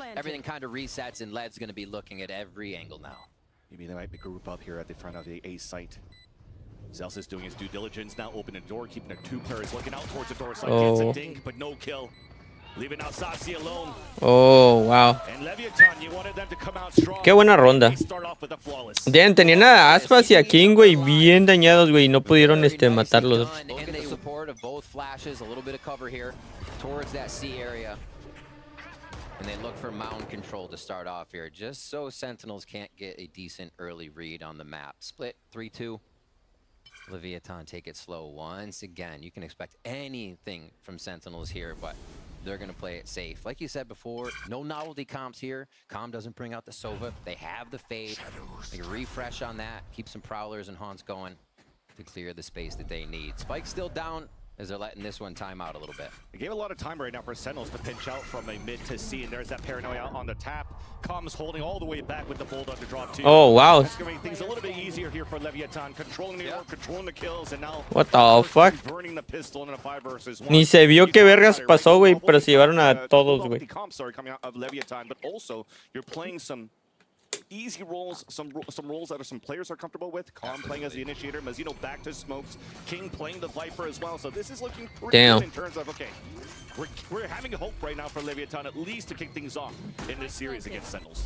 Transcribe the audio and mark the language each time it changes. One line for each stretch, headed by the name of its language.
English: Everything kind of resets, and Led's going to be looking at every angle now. Maybe there might be a group up here at the front of the A site. Zelsus doing his due diligence now, open the door, keeping the two players looking out towards the door. So oh. Gets a dink, but no kill. Leaving out Sassi alone. Oh, wow. And Leviathan, you wanted them to come out strong.
Spanish: Qué buena ronda. Damn, tenían a Aspas y a King, güey, bien dañados, güey, y no pudieron matarlos.
English: Looking at the support of both flashes, a little bit of cover here towards that C area. And they look for mound control to start off here, just so Sentinels can't get a decent early read on the map. Split 3-2. Leviathan, take it slow once again. You can expect anything from Sentinels here, but they're going to play it safe. Like you said before, no novelty comps here. Calm doesn't bring out the Sova. They have the fade. They refresh on that. Keep some Prowlers and Haunts going to clear the space that they need. Spike's still down as they're letting this one time out a little bit. It gave a lot of time right now for Sentinels to pinch out from a mid to C, and there's that paranoia on the tap. Calm's holding all the way back with the bolt under drop too. Oh, wow. Excavating things a little bit easier here for Leviathan, controlling the yeah. Orb, controlling the kills, and now... What the fuck? ...burning the pistol in a 5v1.
Spanish: Ni se vio qué vergas pasó, güey, pero se llevaron a todos, güey.
English: The comps are coming out of Leviathan, but also, you're playing some... easy roles, some roles that are some players are comfortable with. Calm Absolutely. Playing as the initiator, Mazzino back to smokes, King playing the Viper as well. So this is looking pretty Damn. Good in terms of, okay, we're having hope right now for Leviathan at least to kick things off in this series against Sentinels.